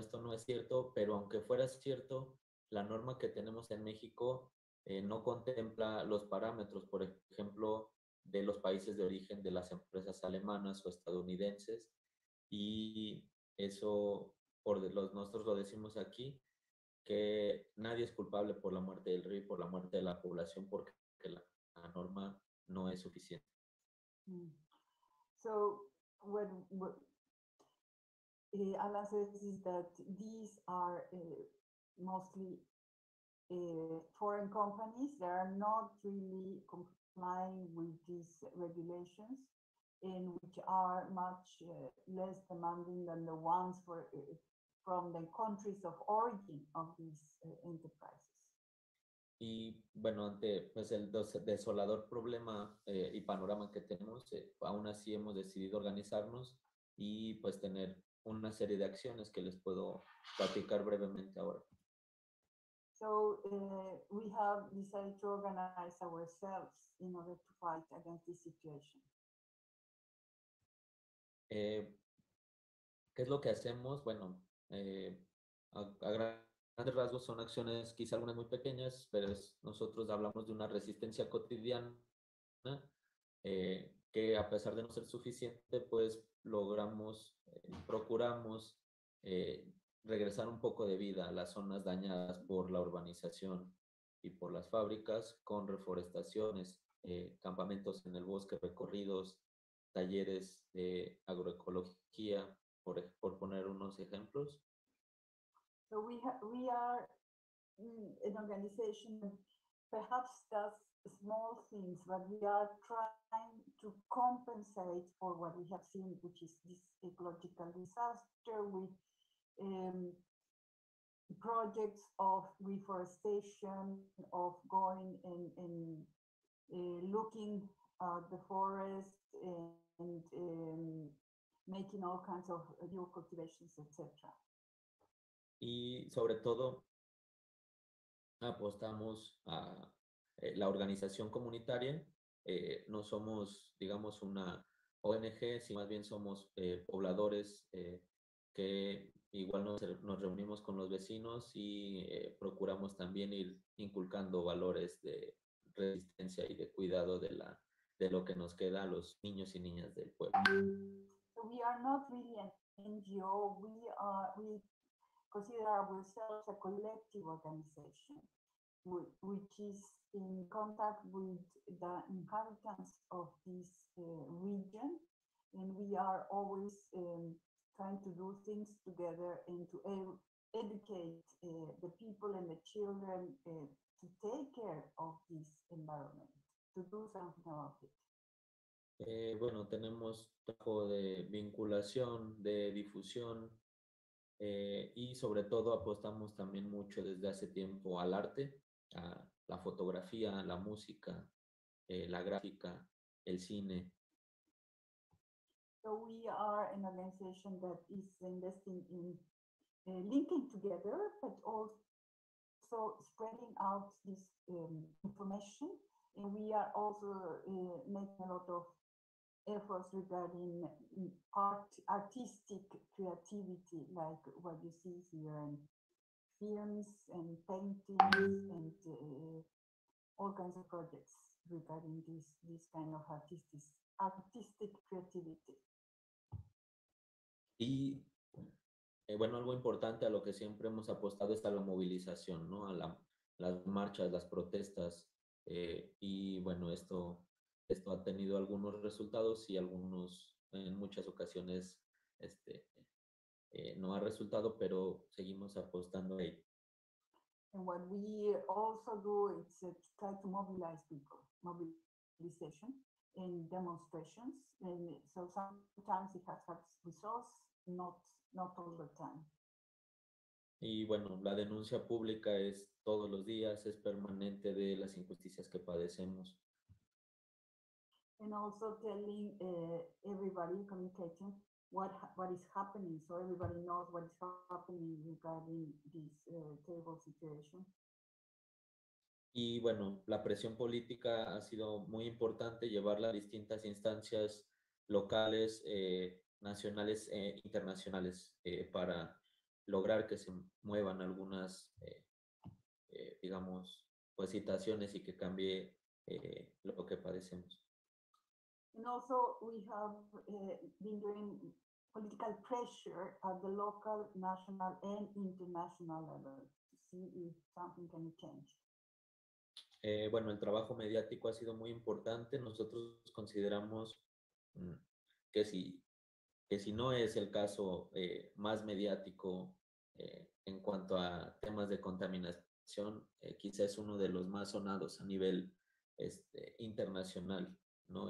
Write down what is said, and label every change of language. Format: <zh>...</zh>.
<es>Esto no es cierto, pero aunque fuera cierto, la norma que tenemos en México no contempla los parámetros, por ejemplo, de los países de origen de las empresas alemanas o estadounidenses. Y eso, nosotros lo decimos aquí, que nadie es culpable por la muerte del río y por la muerte de la población, porque la norma no es suficiente.</es> <en>So, Alan says that these are mostly foreign companies that are not really complying with these regulations, in which are much less demanding than the ones from the countries of origin of these enterprises.</en> <es>Y bueno, ante pues el desolador problema y panorama que tenemos, aún así hemos decidido organizarnos y pues tener una serie de acciones que les puedo platicar brevemente ahora.</es> <en>So we have decided to organize ourselves in order to fight against this situation.</en> <es>¿Qué es lo que hacemos? Bueno, a grandes rasgos son acciones, quizá algunas muy pequeñas, pero nosotros hablamos de una resistencia cotidiana que, a pesar de no ser suficiente, pues logramos, procuramos regresar un poco de vida a las zonas dañadas por la urbanización y por las fábricas, con reforestaciones, campamentos en el bosque, recorridos, talleres de agroecología, por poner unos ejemplos.</es> <en>So we are an organization, perhaps just small things, but we are trying to compensate for what we have seen, which is this ecological disaster, with projects of reforestation, of going and looking at the forest and making all kinds of new cultivations, etc.</en> <es>Y sobre todo apostamos a la organización comunitaria. No somos, digamos, una ONG, sino más bien somos pobladores que igual nos reunimos con los vecinos y procuramos también ir inculcando valores de resistencia y de cuidado de lo que nos queda a los niños y niñas del pueblo.</es> <en>So we are not really an NGO. We consider ourselves a collective organization, which is in contact with the inhabitants of this region, and we are always trying to do things together and to educate the people and the children to take care of this environment, to do something about it.</en> <es>Bueno, tenemos trabajo de vinculación, de difusión, y sobre todo apostamos también mucho desde hace tiempo al arte, a la fotografía, la música, la gráfica, el cine.</es> <en>So we are an organization that is investing in linking together, but also spreading out this information. And we are also making a lot of efforts regarding artistic creativity, like what you see here, and films and paintings and all kinds of projects regarding this kind of artistic creativity.</en> <es>Y bueno, algo importante a lo que siempre hemos apostado es a la movilización, ¿no? A las marchas, las protestas, y bueno, esto ha tenido algunos resultados y algunos, en muchas ocasiones, no ha resultado, pero seguimos apostando ahí.</es> <en>And what we also do is to try to mobilize people, mobilization and demonstrations. And so sometimes it has had results, not all the time.</en> <es>Y bueno, la denuncia pública es todos los días, es permanente de las injusticias que padecemos.</es> <en>And also telling everybody, communicating what is happening, so everybody knows what is happening regarding this terrible situation.</en> <es>Y bueno, la presión política ha sido muy importante, llevarla a distintas instancias locales, nacionales e internacionales, para lograr que se muevan algunas, digamos, pues situaciones y que cambie lo que padecemos.</es> <en>And also we have been doing political pressure at the local, national, and international level to see if something can change.</en> <es>Bueno, el trabajo mediático ha sido muy importante. Nosotros consideramos que si no es el caso más mediático en cuanto a temas de contaminación, quizás es uno de los más sonados a nivel internacional, ¿no?</es>